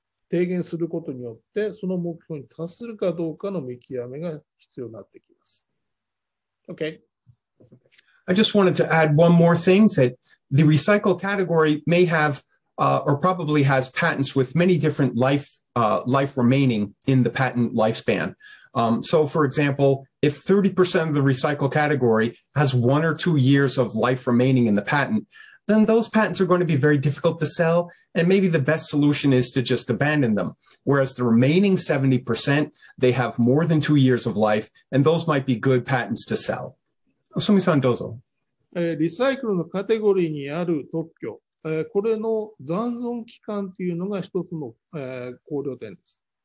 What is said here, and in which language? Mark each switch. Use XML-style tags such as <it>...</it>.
<ja>提言することによってその目標に達するかどうかの見極めが必要になってきます。</ja> <en>Okay. I just wanted to add one more thing that the recycle category may have or probably has patents with many different life remaining in the patent lifespan. So for example, if 30% of the recycle category has 1 or 2 years of life remaining in the patent, then those patents are going to be very difficult to sell. And maybe the best solution is to just abandon them. Whereas the remaining 70%, they have more than 2 years of life, and those might be good patents to sell.</en> <ja>Osumi-san, dozo. リサイクルのカテゴリーにある特許、これの残存期間というのが一つの考慮点です。</ja>